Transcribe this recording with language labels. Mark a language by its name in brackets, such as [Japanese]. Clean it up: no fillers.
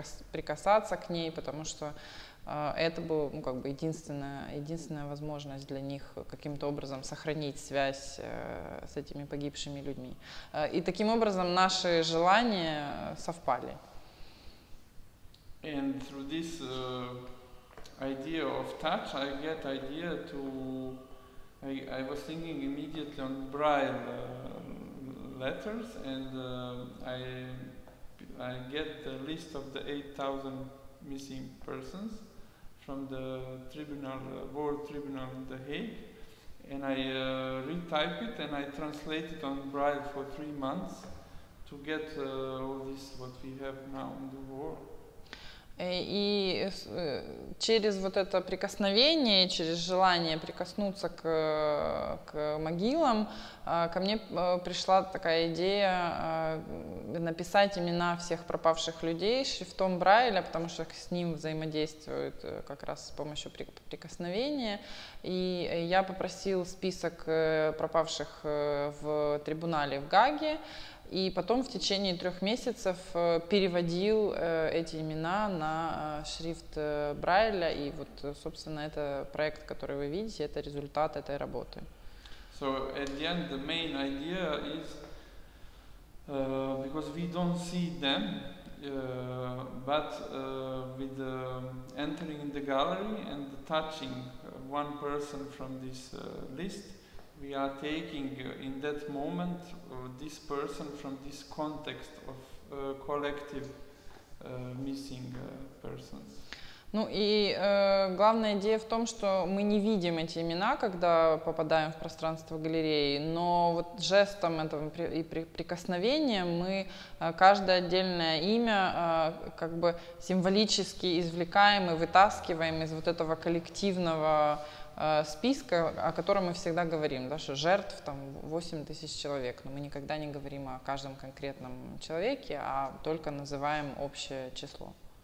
[Russian] прикасаться к ней, потому что это была, ну, как бы единственная возможность для них каким-то образом сохранить связь с этими погибшими людьми. И таким образом наши желания совпали. [English] And through this idea of touch, I get idea to. I was thinking immediately on Braille letters, and I get the list of the 8,000 missing persons from the tribunal, World Tribunal in The Hague, and I retype it and I translate it on Braille for 3 months to get all this what we have now in the world. [Russian] И через вот это прикосновение, через желание прикоснуться к могилам, ко мне пришла такая идея написать имена всех пропавших людей шрифтом Брайля, потому что с ним взаимодействуют как раз с помощью прикосновения. И я попросил список пропавших в трибунале в Гаге. И потом в течение 3 месяцев переводил эти имена на шрифт Брайля. И вот, собственно, это проект, который вы видите, это результат этой работы. [English] So at the end, the main idea is because we don't see them, but with the entering in the gallery and the touching one person from this list, we are taking in that moment this person from this context of collective missing persons. [Russian] Ну и главная идея в том, что мы не видим эти имена, когда попадаем в пространство галереи, но вот жестом этого и прикосновением мы каждое отдельное имя как бы символически извлекаем и вытаскиваем из вот этого коллективного списка, о котором мы всегда говорим, да, что жертв там 8 тысяч человек, но мы никогда не говорим о каждом конкретном человеке, а только называем общее число.